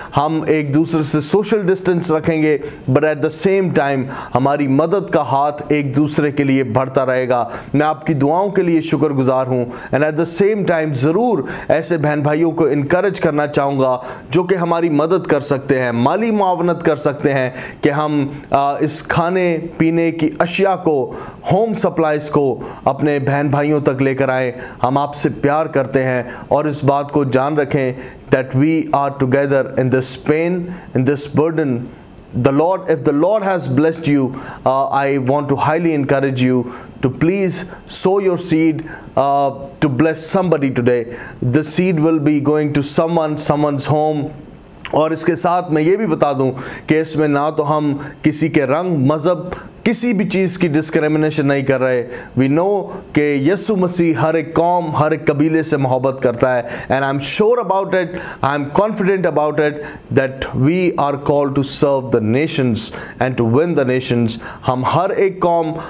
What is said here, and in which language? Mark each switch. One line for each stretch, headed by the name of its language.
Urdu: ہم ایک دوسرے سے سوشل ڈسٹینس رکھیں گے،
English: but at the same time
Urdu: ہماری مدد کا ہاتھ ایک دوسرے کے لیے بڑھتا رہے گا۔ میں آپ کی دعاؤں کے لیے شکر گزار ہوں،
English: and at the same time
Urdu: ضرور ایسے بہن بھائیوں کو انکریج کرنا چاہوں گا جو کہ ہماری مدد کر سکتے ہیں، مالی معاونت کر سکتے ہیں کہ ہم اس کھانے پینے کی اشیاء کو، ہوم سپلائز کو اپنے بہن بھائیوں تک لے کر آئیں۔ ہم آپ سے پیار کرتے ہیں، اور اس بات کو جان رکھیں
English: that we are together in this pain, in this burden. If the Lord has blessed you, I want to highly encourage you to please sow your seed to bless somebody today. The seed will be going to someone's home.
Urdu: اور اس کے ساتھ میں یہ بھی بتا دوں کہ اس میں نہ تو ہم کسی کے رنگ، مذہب، کسی بھی چیز کی ڈسکریمنیشن نہیں کر رہے۔
English: we know
Urdu: کہ یسوع مسیح ہر ایک قوم، ہر ایک قبیلے سے محبت کرتا ہے،
English: and I am sure about it, I am confident about it that we are called to serve the nations
Urdu: and to one the nations. ہم ہر ایک قوم،